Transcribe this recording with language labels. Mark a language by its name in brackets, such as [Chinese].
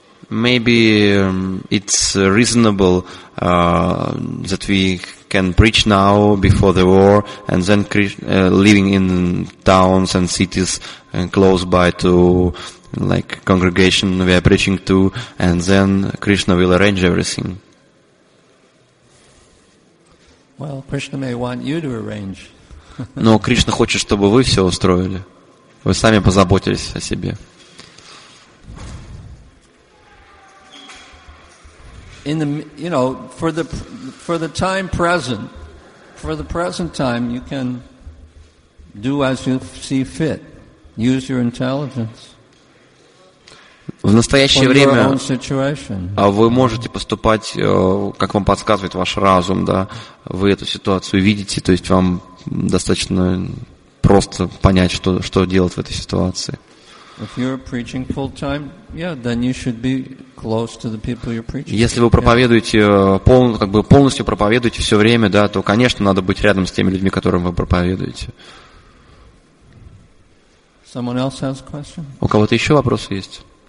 [English] Maybe it's reasonable that we can preach now before the war and then living in towns and cities and close by to like congregation we are preaching to, and then Krishna will arrange everything. Well, Krishna may want you to arrange. [Russian] Но Кришна хочет, чтобы вы все устроили. Вы сами позаботились о себе. [English] In the, you know, for the time present, for the present time, you can do as you see fit. Use your intelligence. [Russian] В настоящее время. [English] For your own situation. [Russian] А вы можете поступать, как вам подсказывает ваш разум, да? Вы эту ситуацию видите, то есть вам достаточно просто понять, что делать в этой ситуации. [English] If you're preaching full time, yeah, then you should be close to the people you're preaching. [Russian] Если вы проповедуете полностью проповедуете все время, да, то, конечно, надо быть рядом с теми людьми, которым вы проповедуете. [English] Someone else has a question? [Russian] У кого-то еще вопросы есть?